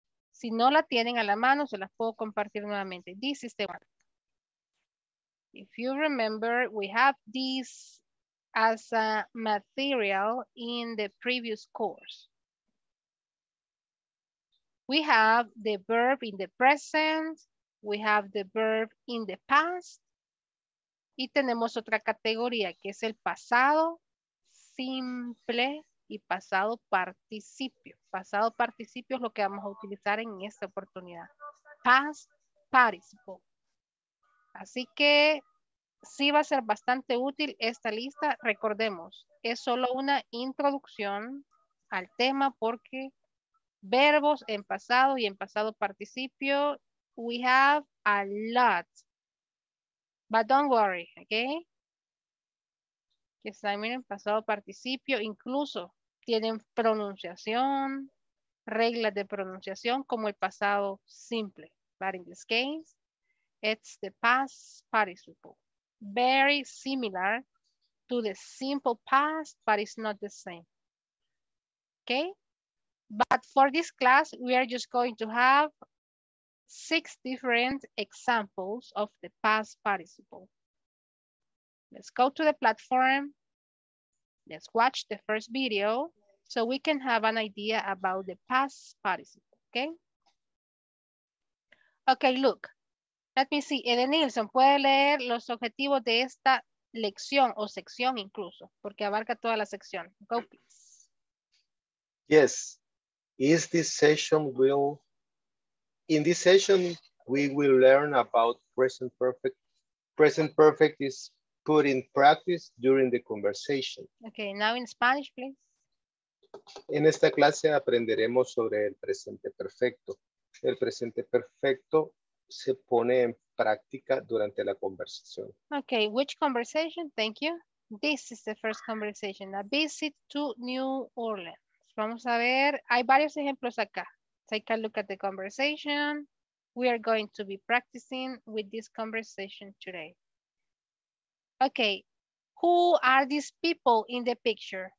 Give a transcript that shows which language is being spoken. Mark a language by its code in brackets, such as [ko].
[es] Si no la tienen a la mano, se las puedo compartir nuevamente. [en] This is the one. If you remember, we have this as a material in the previous course. We have the verb in the present. We have the verb in the past. [es] Y tenemos otra categoría que es el pasado simple y pasado participio. Pasado participio es lo que vamos a utilizar en esta oportunidad. Past participle. Así que sí va a ser bastante útil esta lista. Recordemos, es solo una introducción al tema porque verbos en pasado y en pasado participio, [en] we have a lot. But don't worry, okay? [es] Que está, miren, pasado participio, incluso tienen pronunciación, reglas de pronunciación, como el pasado simple. [en] But in this case, it's the past participle. Very similar to the simple past, but it's not the same. Okay? But for this class, we are just going to have 6 different examples of the past participle. Let's go to the platform. Let's watch the first video so we can have an idea about the past participle, okay? Okay, look. Let me see. [es] Eden Nilsson, ¿puede leer los objetivos de esta lección o sección incluso? Porque abarca toda la sección. [en] Go, please. Yes. Is this session will, in this session, we will learn about present perfect. Present perfect is put in practice during the conversation. Okay, now in Spanish, please. [es] En esta clase aprenderemos sobre el presente perfecto. El presente perfecto se pone en práctica durante la conversación. [en] Okay, which conversation? Thank you. This is the first conversation, a visit to New Orleans. [es] Vamos a ver, hay varios ejemplos acá. [en] Take a look at the conversation. We are going to be practicing with this conversation today. Okay, who are these people in the picture?